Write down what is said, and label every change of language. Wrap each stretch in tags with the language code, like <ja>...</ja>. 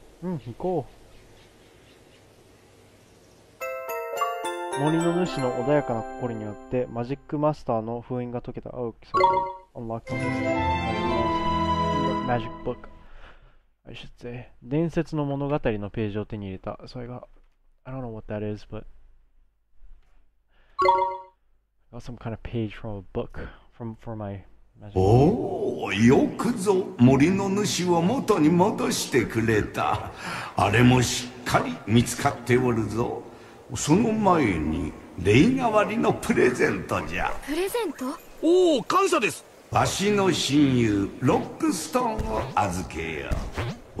<ja>うん、行こう。森の主の穏やかな心によってマジックマスターの封印が解けた。あ、おきさま、アンロックマジックブック。</ja> <en>I should say</en> <ja>伝説の物語のページを手に入れた。それが</ja> <en>I don't know what that is butGot some kind of page from a book from my magic.</en> <ja>Oh, よくぞ森の主を元に戻してくれた。あれもしっかり見つかっておるぞ。その前に礼代わりのプレゼントじゃ。プレゼント？おお、感謝です。わしの親友ロックストーンを預けよう。</ja>